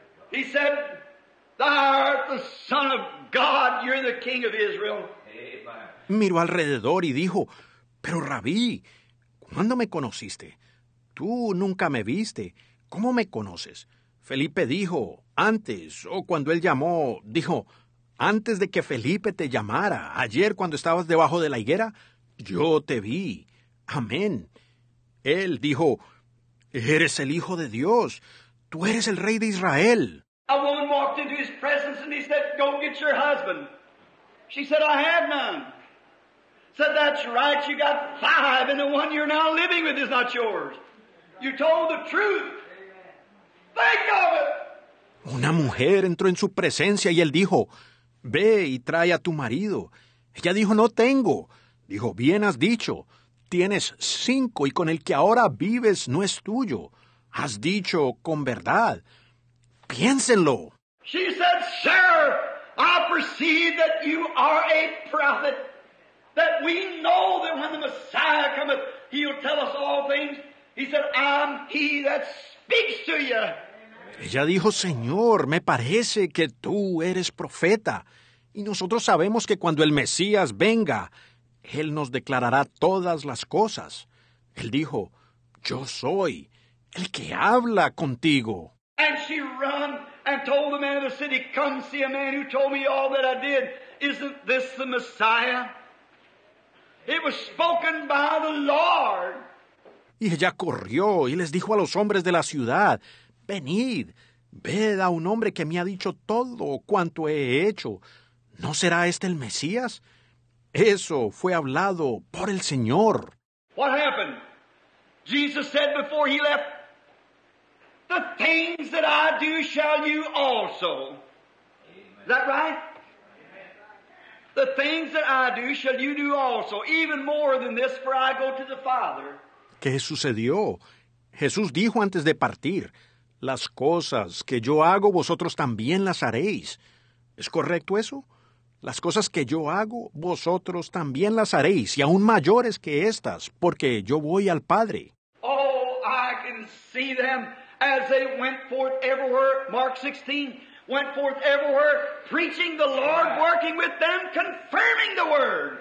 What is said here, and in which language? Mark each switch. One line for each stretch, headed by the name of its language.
English: He said, "Thou art the Son of God. You're the King of Israel." Amen.
Spanish: Miró alrededor y dijo, "Pero Rabí, ¿cuándo me conociste? Tú nunca me viste. ¿Cómo me conoces?" Felipe dijo, "Antes, o cuando él llamó, dijo, antes de que Felipe te llamara, ayer cuando estabas debajo de la higuera, yo te vi. Amén." Él dijo, "Eres el Hijo de Dios. Tú eres el Rey de Israel."
English: A woman walked into his presence and he said, "Go get your husband." She said, "I have none." Said, "That's right, you got five, and the one you're now living with is not yours. You told the truth. Think of it."
Spanish: Una mujer entró en su presencia y él dijo, "Ve y trae a tu marido." Ella dijo, "No tengo." Dijo, "Bien has dicho. Tienes cinco, y con el que ahora vives no es tuyo. Has dicho con verdad. Piénsenlo."
English: She said, "Sir, I perceive that you are a prophet. That we know that when the Messiah cometh, he'll tell us all things. He said, I'm he that speaks to you."
Spanish: Ella dijo, "Señor, me parece que tú eres profeta. Y nosotros sabemos que cuando el Mesías venga, él nos declarará todas las cosas." Él dijo, "Yo soy el que habla contigo."
English: And she ran and told the man of the city, "Come see a man who told me all that I did. Isn't this the Messiah? It was spoken by the Lord."
Spanish: Y ella corrió y les dijo a los hombres de la ciudad, "Venid, ved a un hombre que me ha dicho todo cuanto he hecho. ¿No será este el Mesías? Eso fue hablado por el Señor."
English: What happened? Jesus said before he left, "The things that I do shall you also." Amen. Is that right? "The things that I do shall you do also, even more than this, for I go to the Father."
Spanish: ¿Qué sucedió? Jesús dijo antes de partir, "Las cosas que yo hago, vosotros también las haréis." ¿Es correcto eso? "Las cosas que yo hago, vosotros también las haréis, y aún mayores que estas, porque yo voy al Padre."
English: Oh, I can see them as they went forth everywhere, Mark 16, went forth everywhere, preaching the Lord, working with them, confirming the word.